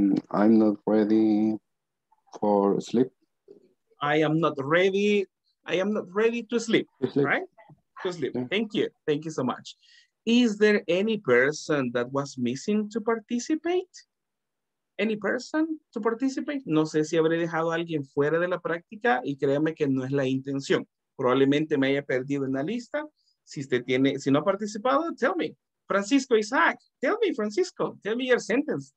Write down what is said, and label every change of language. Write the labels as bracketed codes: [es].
[en] I'm not ready for sleep. I am not ready to sleep. Right? To sleep. Yeah. Thank you. Thank you so much. Is there any person that was missing to participate? Any person to participate? [es] No sé si habré dejado a alguien fuera de la práctica y créame que no es la intención. Probablemente me haya perdido en la lista. Si usted tiene, si no ha participado, [en] tell me. Francisco Isaac, tell me, Francisco, tell me your sentence.